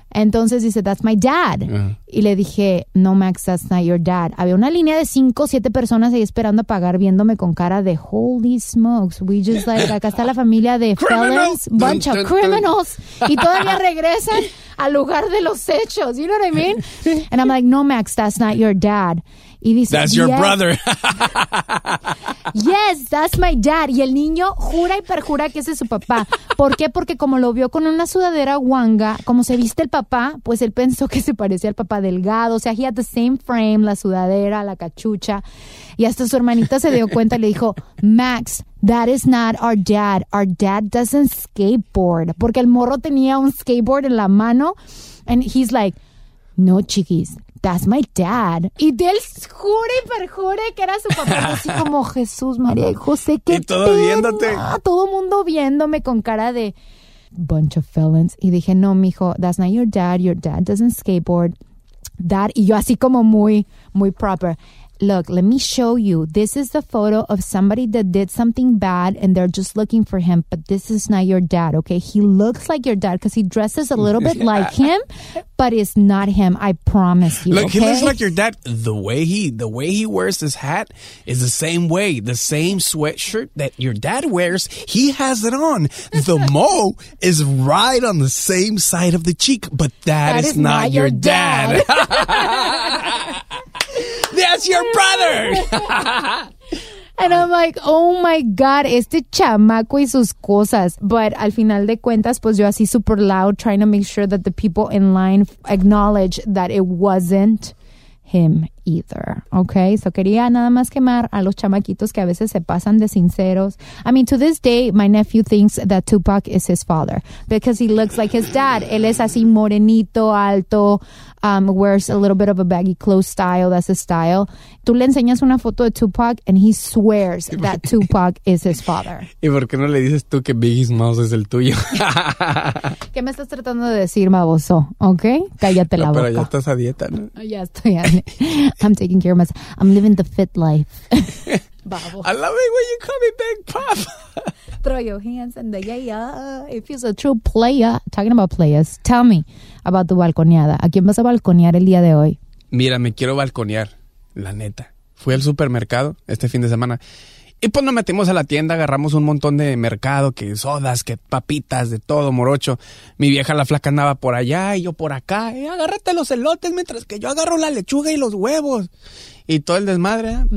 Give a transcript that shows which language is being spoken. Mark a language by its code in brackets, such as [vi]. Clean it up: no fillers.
[es] Entonces dice, [en] that's my dad. [es] Y le dije, no, [en] Max, that's not your dad. [es] Había una línea de 5 o 7 personas ahí esperando a pagar, viéndome con cara de, [en] holy smokes, we just like, [es] acá está la familia de felons, [en] bunch of criminals, [es] y todavía regresan al lugar de los hechos, [en] you know what I mean? And I'm like, no, Max, that's not your dad. [es] Y dice, [en] that's your brother. Yes, that's my dad. [es] Y el niño jura y perjura que ese es su papá. ¿Por qué? Porque como lo vio con una sudadera guanga, como se viste el papá, pues él pensó que se parecía al papá delgado. O sea, [en] he had the same frame, [es] la sudadera, la cachucha. Y hasta su hermanita se dio cuenta y le dijo, Max, [en] that is not our dad. Our dad doesn't skateboard. [es] Porque el morro tenía un skateboard en la mano. [en] And he's like, no, [es] chiquis. [en] That's my dad. [es] Y él jure y perjure que era su papá. Así como Jesús, María y José. ¿Qué y todo pena? Viéndote. Todo mundo viéndome con cara de [en] bunch of felons. [es] Y dije, no, mijo, [en] that's not your dad. Your dad doesn't skateboard. Dad. [es] Y yo así como muy, muy proper. [en] Look, let me show you. This is the photo of somebody that did something bad and they're just looking for him. But this is not your dad, okay? He looks like your dad because he dresses a little bit like him, but it's not him. I promise you, look, okay? He looks like your dad. The way he wears his hat is the same way. The same sweatshirt that your dad wears, he has it on. The mo is right on the same side of the cheek, but that is not your dad. That's your brother. And I'm like, oh my God, [es] este chamaco y sus cosas. [en] But [es] al final de cuentas, pues yo así [en] super loud, trying to make sure that the people in line acknowledge that it wasn't him. either. [es] Okay, so quería nada más quemar a los chamaquitos que a veces se pasan de sinceros. [en] I mean, to this day, my nephew thinks that Tupac is his father because he looks like his dad. [es] Él es así morenito, alto, [en] wears a little bit of a baggy clothes style. That's his style. [es] Tú le enseñas una foto de Tupac [en] and he swears that Tupac is his father. [es] ¿Y por qué no le dices tú que Biggie Smalls es el tuyo? ¿Qué me estás tratando de decir, baboso? Okay, cállate la boca. Pero ya estás a dieta, ¿no? Ya estoy. [en] I'm taking care of myself. I'm living the fit life. Babo. I love it when you call me Big Pop. Throw your hands in the air. If he's a true player. Talking about players, tell me about [es] tu balconeada. ¿A quién vas a balconear el día de hoy? Mira, me quiero balconear, la neta. Fui al supermercado este fin de semana y pues nos metimos a la tienda, agarramos un montón de mercado, que sodas, que papitas, de todo, morocho. Mi vieja la flaca andaba por allá y yo por acá. Agárrate los elotes mientras que yo agarro la lechuga y los huevos. Y todo el desmadre, ¿eh? Uh-huh.